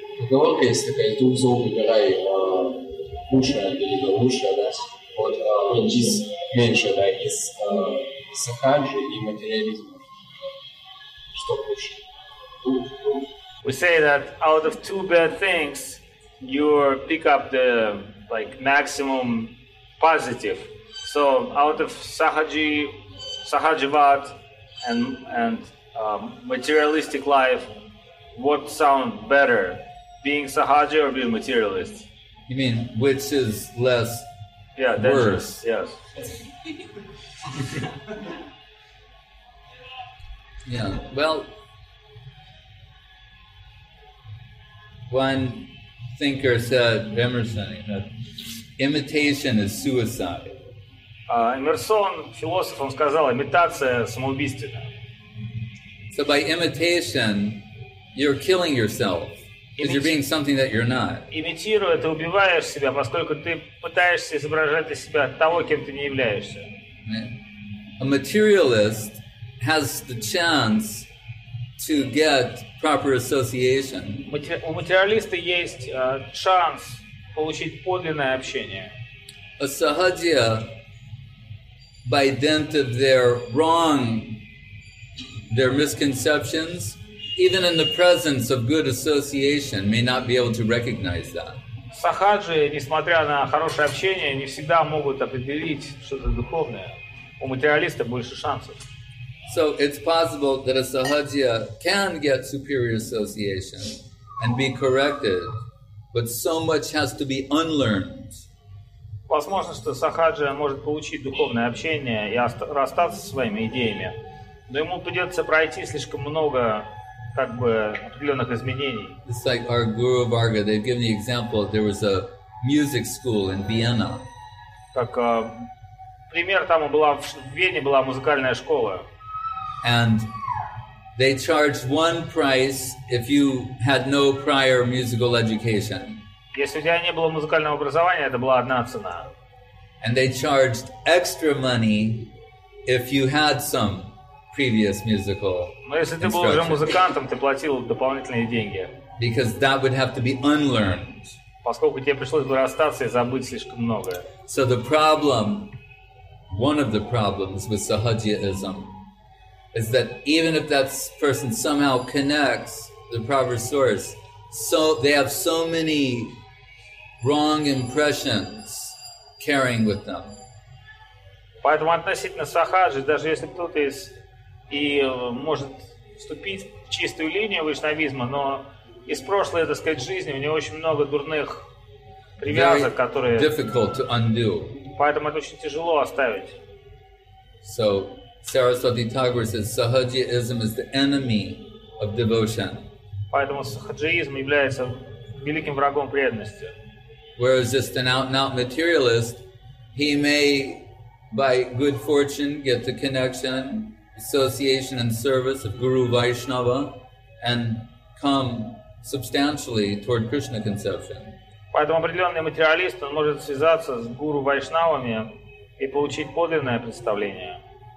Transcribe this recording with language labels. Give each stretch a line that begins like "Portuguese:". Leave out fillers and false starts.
English: Nu am chestie, că tu zombie care ai ușa, adică ușa, dar încis menșa, dar încis să hage din materialism. Și tot ușa. We say that out of two bad things, you pick up the like maximum positive. So out of sahaji, sahajivat, and materialistic life, what sound better, being sahaji or being materialist? You mean which is less? Yeah, worse. Dangerous. Yes. Yeah. Well. One thinker said, Emerson, that imitation is suicide.
Russian: Emerson, philosoph, он сказал, имитация самоубийственна.
English: So by imitation, you're killing yourself, because you're being something that you're not.
Russian: Имитируя, ты убиваешь себя, поскольку ты пытаешься изображать из себя того, кем ты не являешься.
English: A materialist has the chance to get proper association.
Russian: У материалиста есть шанс получить подлинное общение.
English: A sahajiya, by dint of their wrong, their misconceptions, even in the presence of good association, may not be able to recognize that.
Russian: Сахаджи, несмотря на хорошее общение, не всегда могут определить что-то духовное. У материалиста больше шансов.
English: So it's possible that a sahajiya can get superior association and be corrected, but so much has to be unlearned.
Russian: Возможно, что сахаджия может получить духовное общение и расстаться со своими идеями, но ему придется пройти слишком много, как бы, определенных изменений.
English: It's like our Guru Varga, they've given the example, there was a music school in Vienna.
Russian: Как пример, там была в Вене была музыкальная школа.
English: And they charged one price if you had no prior musical education.
Russian: Если у тебя не было музыкального образования, это была одна цена.
English: And they charged extra money if you had some previous musical instruction.
Russian: Но если ты был уже музыкантом, ты платил дополнительные деньги.
English: Because that would have to be unlearned.
Russian: Поскольку тебе пришлось бы расстаться и забыть слишком многое.
English: So the problem, one of the problems with sahajiyaism is that even if that person somehow connects the proper source, so they have so many wrong impressions carrying with them.
Russian: Поэтому относительно сахаджи, даже если кто-то из и может вступить в чистую линию вишнавизма, но из прошлой, так сказать, жизни у него очень много дурных привязок, которые
English: difficult to undo.
Russian: Поэтому это очень тяжело оставить.
English: So Saraswati Thakur says sahajiyaism is the enemy of devotion.
Russian: Поэтому сахаджиизм является великим врагом преданности.
English: Whereas just an out-and-out materialist, he may, by good fortune, get the connection, association, and service of Guru Vaishnava, and come substantially toward Krishna conception.
Russian: Поэтому определенный материалист, он может связаться с Гуру Вайшнавами и получить подлинное представление.